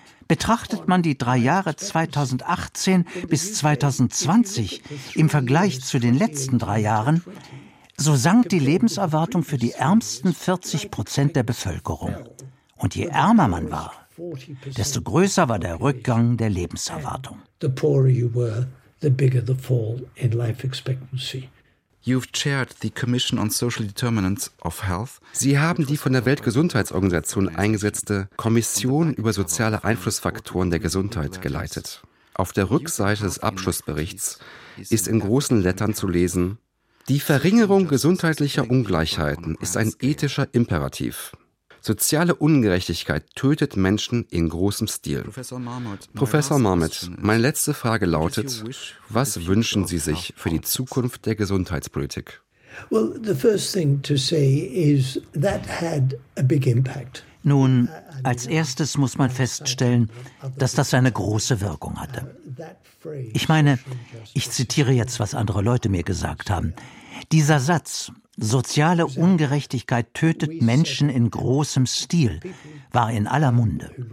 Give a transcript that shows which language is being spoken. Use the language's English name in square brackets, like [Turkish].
[German] Betrachtet man die 3 Jahre 2018 bis 2020 im Vergleich zu den letzten 3 Jahren, so sank die Lebenserwartung für die ärmsten 40% der Bevölkerung. Und je ärmer man war, desto größer war der Rückgang der Lebenserwartung. [English] The poorer you were, the bigger the fall in life expectancy. You've chaired the Commission on Social Determinants of Health. [German] Sie haben die von der Weltgesundheitsorganisation eingesetzte Kommission über soziale Einflussfaktoren der Gesundheit geleitet. Auf der Rückseite des Abschlussberichts ist in großen Lettern zu lesen: Die Verringerung gesundheitlicher Ungleichheiten ist ein ethischer Imperativ. Soziale Ungerechtigkeit tötet Menschen in großem Stil. Professor Marmot, meine letzte Frage lautet, was wünschen Sie sich für die Zukunft der Gesundheitspolitik? [English] Well, the first thing to say is that had a big impact. [German] Nun, als erstes muss man feststellen, dass das eine große Wirkung hatte. Ich meine, ich zitiere jetzt, was andere Leute mir gesagt haben. Dieser Satz, soziale Ungerechtigkeit tötet Menschen in großem Stil, war in aller Munde.